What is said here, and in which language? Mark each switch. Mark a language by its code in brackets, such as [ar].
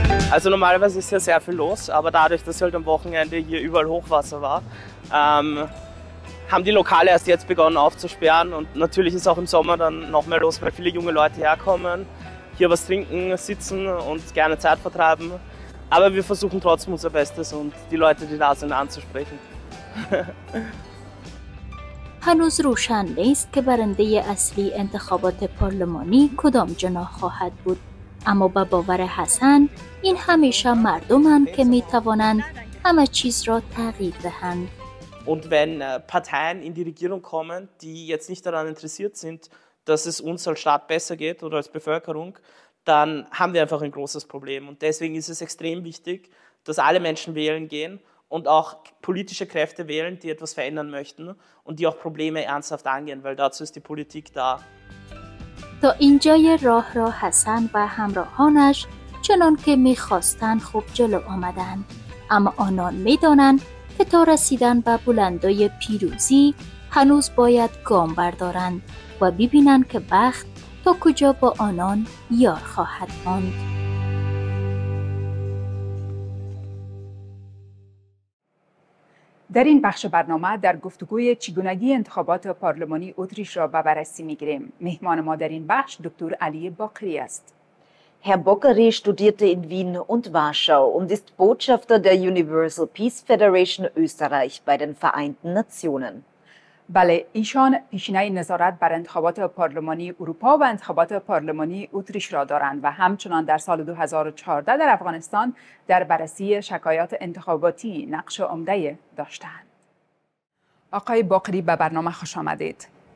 [de] Also normalerweise ist hier sehr viel los, aber dadurch, dass halt am Wochenende hier überall Hochwasser war, haben die Lokale erst jetzt begonnen aufzusperren. Und natürlich ist auch im Sommer dann noch mehr los, weil viele junge Leute herkommen, hier was trinken, sitzen und gerne Zeit vertreiben. Aber wir versuchen trotzdem unser Bestes und die Leute, die da sind, anzusprechen. [fa] هنوز روشن نیست که برنده اصلی انتخابات پارلمانی کدام جناح خواهد بود. اما به باور حسن، این همیشه مردمند که می توانند همه چیز را تغییر دهند. [de] Und wenn Parteien in die Regierung kommen, die jetzt nicht daran interessiert sind, dass es uns als Staat besser geht oder als Bevölkerung, dann haben wir einfach ein großes Problem. Und deswegen ist es extrem wichtig, dass alle Menschen wählen gehen und auch politische Kräfte wählen, die etwas verändern möchten und die auch Probleme ernsthaft angehen, weil dazu ist die Politik da. [fa] تا اینجای راه را حسن و همراهانش چنان که می‌خواستند خوب جلو آمدند. اما آنان می‌دانند که تا رسیدن به بلندای پیروزی هنوز باید گام بردارند و ببینند که بخت تا کجا با آنان یار خواهد ماند. در این بخش برنامه در گفتگوی چگونگی انتخابات پارلمانی اتریش را به بررسی می‌گیریم. مهمان ما در این بخش دکتر علی باقری است. [de] Herr Boccheri studierte in Wien und Warschau und ist Botschafter der Universal Peace Federation Österreich bei den Vereinten Nationen. [fa] بله، ایشان پیشینه نظارت بر انتخابات پارلمانی اروپا و انتخابات پارلمانی اتریش را دارند و همچنان در سال 2014 در افغانستان در بررسی شکایات انتخاباتی نقش عمده داشتند. آقای باقری به برنامه خوش آمدید.